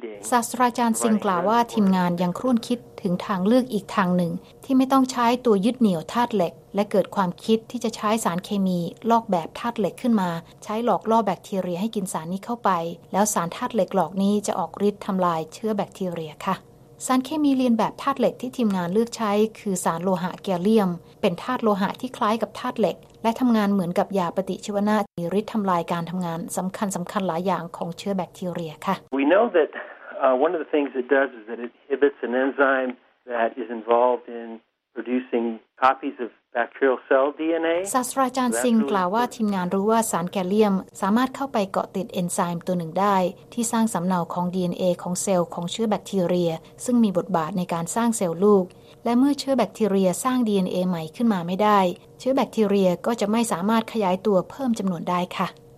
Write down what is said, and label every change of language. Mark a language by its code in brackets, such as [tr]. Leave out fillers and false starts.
[th] ศาสตราจารย์สิงห์กล่าวว่าทีมงานยังครุ่นคิดถึงทางเลือกอีกทางหนึ่งที่ไม่ต้องใช้ตัวยึดเหนี่ยวธาตุเหล็กและเกิดความคิดที่จะใช้สารเคมีลอกแบบธาตุเหล็กขึ้นมาใช้หลอกล่อแบคทีเรียให้กินสารนี้เข้าไปแล้วสารธาตุเหล็กหลอกนี้จะออกฤทธิ์ทำลายเชื้อแบคทีเรียค่ะสารเคมีเลียนแบบธาตุเหล็กที่ทีมงานเลือกใช้คือสารโลหะแกลเลียมเป็นธาตุโลหะที่คล้ายกับธาตุเหล็กและทำงานเหมือนกับยาปฏิชีวนะมีฤทธิ์ทำลายการทำงานสำคัญสำคัญหลายอย่างของเชื้อแบคทีเรียค่ะ [en] We know that one of the things it does is that it inhibits an enzyme that is involved in producing copies of [th] ศาสตราจารย์ซิงกล่าวว่าทีมงานรู้ว่าสารแกลเลียมสามารถเข้าไปเกาะติดเอนไซม์ตัวหนึ่งได้ที่สร้างสำเนาของ DNA ของเซลล์ของเชื้อแบคทีเรียซึ่งมีบทบาทในการสร้างเซลล์ลูกและเมื่อเชื้อแบคทีเรียสร้าง DNA ใหม่ขึ้นมาไม่ได้เชื้อแบคทีเรียก็จะไม่สามารถขยายตัวเพิ่มจำนวนได้ค่ะ